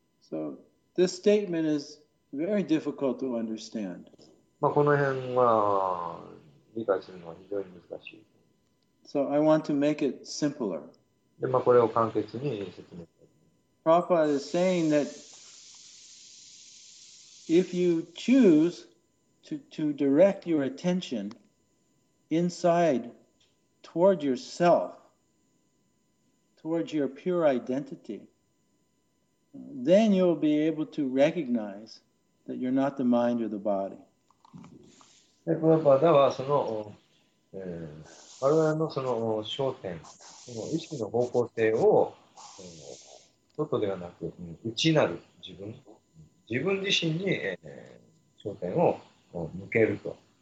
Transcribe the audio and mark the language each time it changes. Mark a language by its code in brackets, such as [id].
[en] So, this statement is very difficult to understand. [ja] まあ、この辺は理解するのは非常に難しい。 [en] So, I want to make it simpler. [ja] で、まあ、これを簡潔に説明する。 [en] Prabhupada is saying that if you choose to direct your attention inside toward yourself,towards your pure identity, then you will be able to recognize that you're not the mind or the body. [ja] で、プラパダはその、我々のその焦点、その意識の方向性を、外ではなく、内なる自分自身に、焦点を向けると。